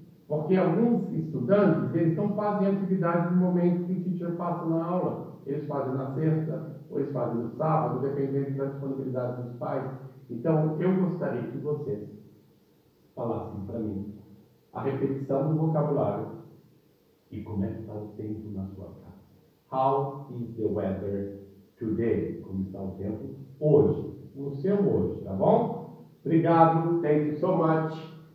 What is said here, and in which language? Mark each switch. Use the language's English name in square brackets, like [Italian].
[Portuguese] Porque alguns estudantes, eles não fazem atividade no momento que o teacher passa na aula. Eles fazem na sexta, ou eles fazem no sábado, dependendo da disponibilidade dos pais. Então, eu gostaria que vocês falassem para mim a repetição do vocabulário e como é que está o tempo na sua casa. [English] How is the weather today? [Portuguese] Como está o tempo hoje, no seu hoje, tá bom? Obrigado, [English] thank you so much.